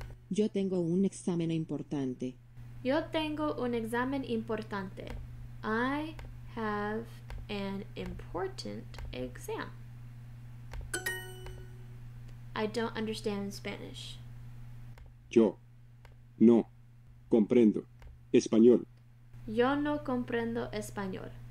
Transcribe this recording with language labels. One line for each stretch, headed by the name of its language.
Spanish: Yo tengo un examen importante. Yo tengo un examen importante.
English: I have an important exam. I don't understand Spanish.
Spanish: Yo no comprendo español. Yo no comprendo español.